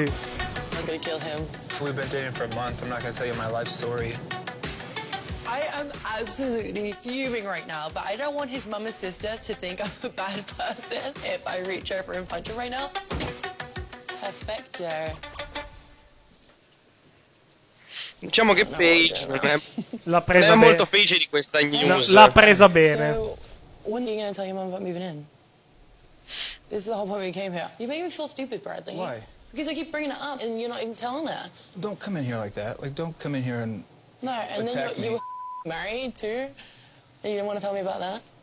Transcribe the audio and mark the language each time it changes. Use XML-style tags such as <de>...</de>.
<en>I'm gonna kill him. We've been dating for a month. I'm not gonna tell you my life story. I am absolutely fuming right now, but I don't want his mama's sister to think I'm a bad person if I reach over and punch him right now.</en> <es>Perfecto.</es> <it>Diciamo che Paige non è molto felice di questa news. No, l'ha presa bene.</it> <en>So, when are you gonna tell your mom about moving in? This is the whole point we came here. You make me feel stupid, Bradley. Why? Because I keep bringing it up and you're not even telling her. Don't come in here like that. Like, don't come in here and no, and then you were married too? And you didn't want to tell me about that?</en>